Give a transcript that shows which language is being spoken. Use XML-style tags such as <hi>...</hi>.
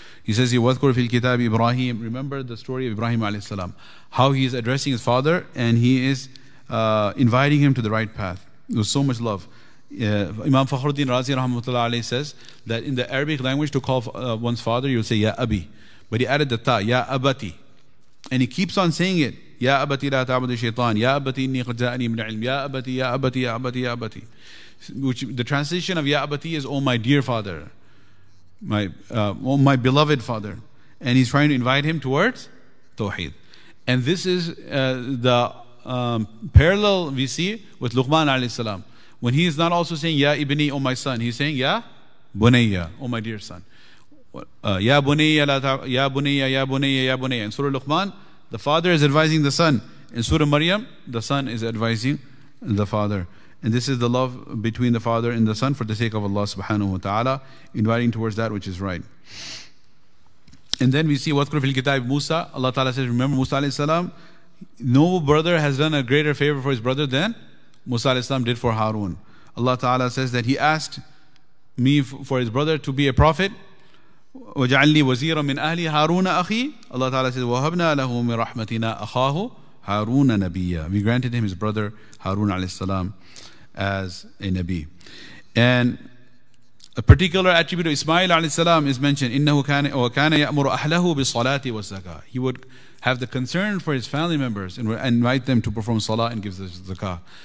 <en>He says,</en> <ar>"Yawadkur fil kitab Ibrahim."</ar> <en>Remember the story of Ibrahim alayhi salam, how he is addressing his father and he is inviting him to the right path. There was so much love. Imam Fakhruddin Razi rahmatullah alayhi says that in the Arabic language, to call one's father, you'll say "Ya Abi," but he added the ta "Ya Abati," and he keeps on saying it.</en> <ar>يا أبتي لا تعبد الشيطان يا أبتي إني قد جاءني من العلم يا أبتي يا أبتي يا أبتي يا أبتي</ar> <en>which the translation of يا أبتي is oh my dear father my beloved father and he's trying to invite him towards Tawheed. And this is the parallel we see with Luqman alayhi salam. When he is not also saying, Ya Ibni, O my son, he's saying, Ya Bunayya, O my dear son. Ya Bunayya. In Surah Luqman, the father is advising the son. In Surah Maryam, the son is advising the father. And this is the love between the father and the son for the sake of Allah subhanahu wa ta'ala, inviting towards that which is right. And then we see</en> <ar>Wadhkur fil kitab Musa.</ar> <en>Allah ta'ala says, remember Musa alayhi salam, no brother has done a greater favor for his brother than Musa alayhi salam did for Harun. Allah ta'ala says that he asked me for his brother to be a prophet.</en> <ar>وَجَعَلْنِي وَزِيرًا مِنْ أَهْلِ هَارُونَ أَخِي.</ar> <en>Allah ta'ala says,</en> <ar>وَهَبْنَا لَهُ مِنْ رَحْمَتِنَا أَخَاهُ هَارُونَ نَبِيًّا.</ar> <en>We granted him his brother Harun alayhi salam as a Nabi. And a particular attribute of Ismail alayhi salam is mentioned.</en> <ar>إِنَّهُ كَانَ يَأْمُرُ أَهْلَهُ بِالصَّلَاةِ وَالزَّكَاةِ.</ar> <en>He would have the concern for his family members and invite them to perform salah and give the zakah.</en>